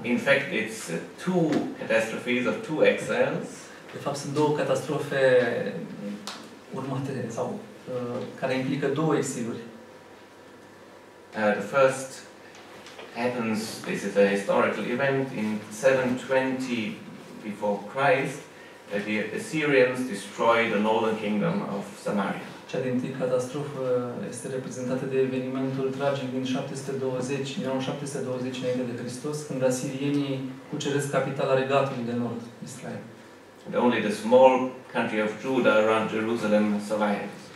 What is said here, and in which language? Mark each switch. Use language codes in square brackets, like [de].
[en] In fact, it's two catastrophes of two exiles. [ro] De fapt, sunt două catastrofe urmate sau care implică două exiluri. [en] The first happens, this is a historical event, in 720 before Christ, that the Assyrians destroy the northern kingdom of Samaria. [ro] Cea din tâi catastrofă este reprezentată de evenimentul tragic din 720, în anul 720 înainte de Hristos, când asirienii cuceresc capitala regatului de nord, Israel. [en] And only the small country of Judah around Jerusalem survives.